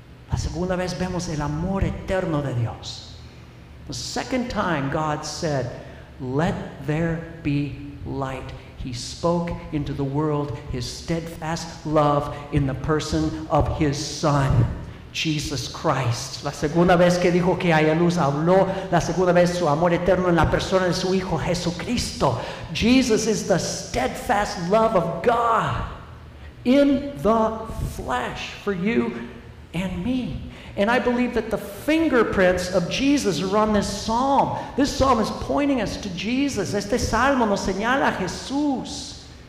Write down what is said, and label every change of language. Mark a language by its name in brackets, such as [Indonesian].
[Spanish] La segunda vez vemos el amor eterno de Dios. [English] The second time God said, "Let there be light." He spoke into the world his steadfast love in the person of his Son, Jesus Christ. [Spanish] La segunda vez que dijo que haya luz, habló la segunda vez su amor eterno en la persona de su Hijo Jesucristo. [English] Jesus is the steadfast love of God in the flesh for you and me. And I believe that the fingerprints of Jesus are on this psalm. This psalm is pointing us to Jesus. [Spanish] Este salmo nos señala a Jesús.